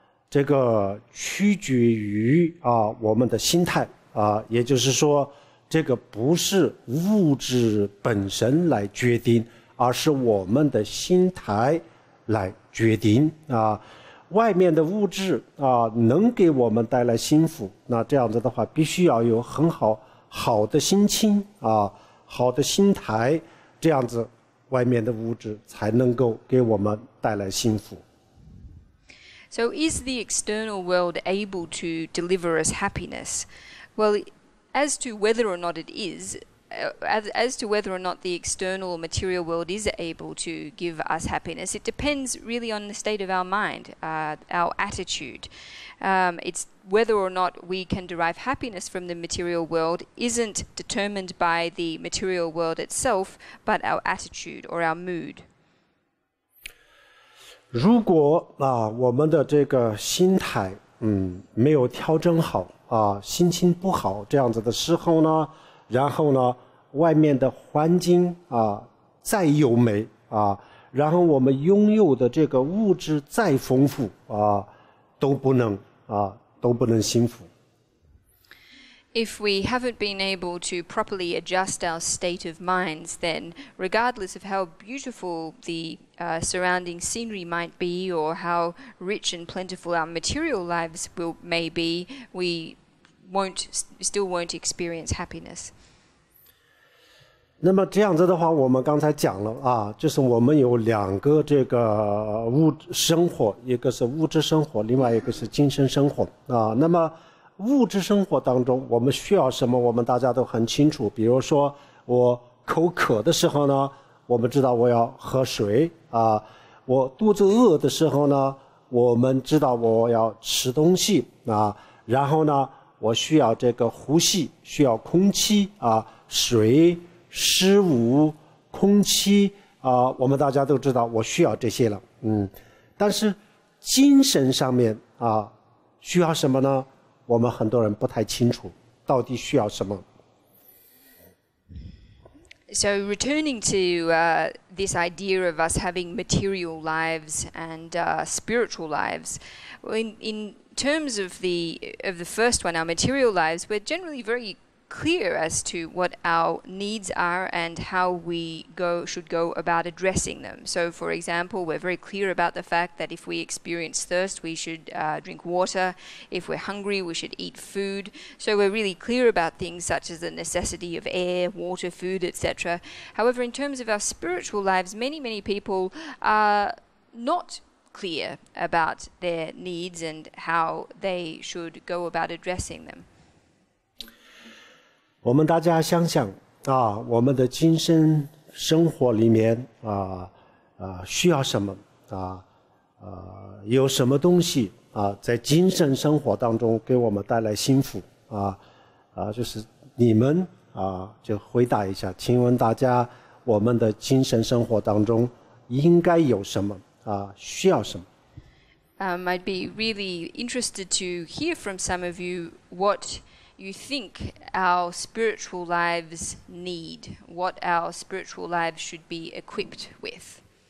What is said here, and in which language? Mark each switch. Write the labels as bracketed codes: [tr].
[zh] 这个取决于我们的心态也就是说这个不是物质本身来决定，而是我们的心态来决定外面的物质能给我们带来幸福，那这样子的话必须要有很好的心情好的心态，这样子外面的物质才能够给我们带来幸福。 [en] So is the external world able to deliver us happiness? Well, as to whether or not it is, as to whether or not the external material world is able to give us happiness, it depends really on the state of our mind, our attitude. It's whether or not we can derive happiness from the material world isn't determined by the material world itself, but our attitude or our mood. [zh] 如果我们的这个心态没有调整好心情不好，这样子的时候呢，然后呢外面的环境再优美然后我们拥有的这个物质再丰富都不能幸福。 [en] If we haven't been able to properly adjust our state of minds, then regardless of how beautiful the surrounding scenery might be or how rich and plentiful our material lives may be, we still won't experience happiness. [zh] 那么这样子的话，我们刚才讲了就是我们有两个这个物生活，一个是物质生活，另外一个是精神生活那么物质生活当中我们需要什么我们大家都很清楚，比如说我口渴的时候呢，我们知道我要喝水我肚子饿的时候呢，我们知道我要吃东西然后呢我需要这个呼吸，需要空气水食物空气我们大家都知道我需要这些了但是精神上面需要什么呢？我们很多人不太清楚到底需要什么。 [en] So returning to this idea of us having material lives and spiritual lives, in terms of the first one, our material lives, we're generally very clear as to what our needs are and how we should go about addressing them. So for example, we're very clear about the fact that if we experience thirst, we should drink water. If we're hungry, we should eat food. So we're really clear about things such as the necessity of air, water, food, etc. However, in terms of our spiritual lives, many, many people are not clear about their needs and how they should go about addressing them. [zh] 我们大家想想我们的精神生活里面需要什么有什么东西在精神生活当中给我们带来幸福就是你们就回答一下，请问大家我们的精神生活当中应该有什么需要什么。 [en] I'd be really interested to hear from some of you what you think our spiritual lives need, what our spiritual lives should be equipped with.